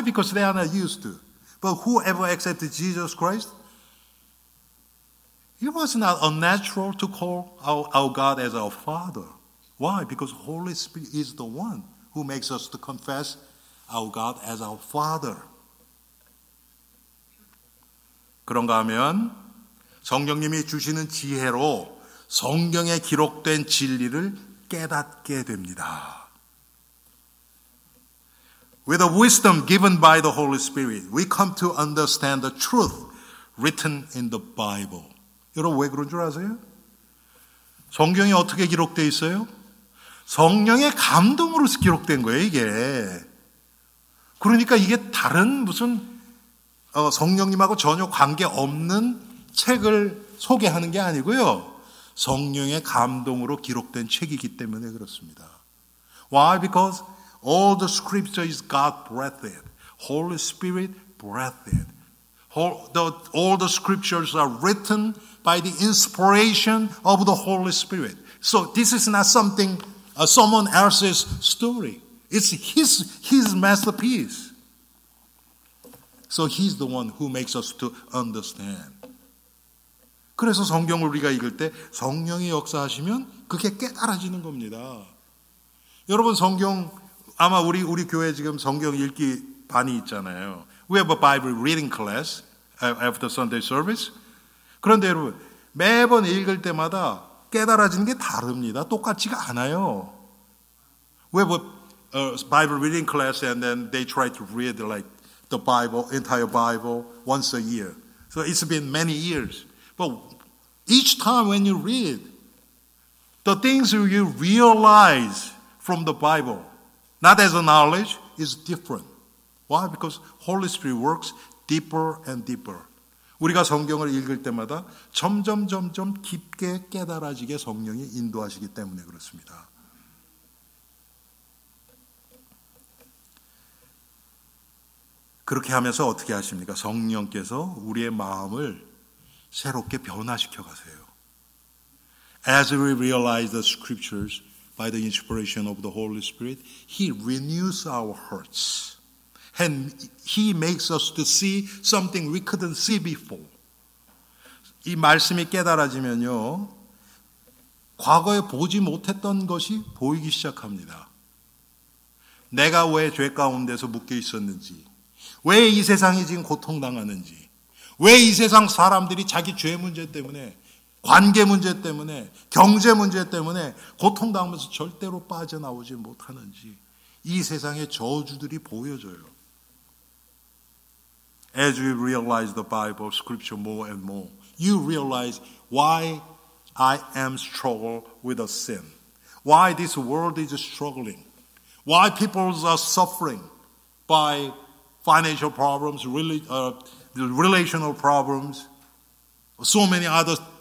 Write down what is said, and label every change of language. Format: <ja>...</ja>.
<en>Because they are not used to. But whoever accepted Jesus Christ, it was not unnatural to call our God as our Father. Why? Because Holy Spirit is the one who makes us to confess our God as our Father.</en> <ko>그런가 하면 성령님이 주시는 지혜로 성경에 기록된 진리를 깨닫게 됩니다.</ko> <en>With the wisdom given by the Holy Spirit, we come to understand the truth written in the Bible.</en> <ko>여러분 왜 그런 줄 아세요? 성경이 어떻게 기록되어 있어요? 성령의 감동으로 기록된 거예요, 이게. 그러니까 이게 다른 무슨 성령님하고 전혀 관계없는 책을 소개하는 게 아니고요. 성령의 감동으로 기록된 책이기 때문에 그렇습니다.</ko> <en>Why? Because all the scripture is God-breathed. Holy Spirit-breathed. All the scriptures are written by the inspiration of the Holy Spirit. So this is not something, someone else's story. It's his masterpiece. So he's the one who makes us to understand.</en> <ko>그래서 성경을 우리가 읽을 때 성령이 역사하시면 그게 깨달아지는 겁니다. 여러분 성경 아마 우리 교회 지금 성경 읽기 반이 있잖아요.</ko> <en>We have a Bible reading class after Sunday service.</en> <ko>그런데 여러분 매번 읽을 때마다 깨달아지는 게 다릅니다. 똑같지가 않아요.</ko> <en>We have a Bible reading class and then they try to read like the Bible, entire Bible once a year. So it's been many years. But each time when you read, the things you realize from the Bible, not as a knowledge, is different. Why? Because Holy Spirit works deeper and deeper.</en> <ko>우리가 성경을 읽을 때마다 점점 깊게 깨달아지게 성령이 인도하시기 때문에 그렇습니다. 그렇게 하면서 어떻게 하십니까? 성령께서 우리의 마음을 새롭게 변화시켜 가세요.</ko> <en>As we realize the scriptures by the inspiration of the Holy Spirit, He renews our hearts. And He makes us to see something we couldn't see before.</en> <ko>이 말씀이 깨달아지면요, 과거에 보지 못했던 것이 보이기 시작합니다. 내가 왜 죄 가운데서 묶여 있었는지, 왜 이 세상이 지금 고통당하는지, 왜 이 세상 사람들이 자기 죄 문제 때문에, 관계 문제 때문에, 경제 문제 때문에 고통당하면서 절대로 빠져나오지 못하는지, 이 세상의 저주들이 보여져요.</ko> <en>As you realize the Bible scripture more and more, you realize why I am struggle with a sin. Why this world is struggling. Why people are suffering by financial problems, relational problems, so many others.</en>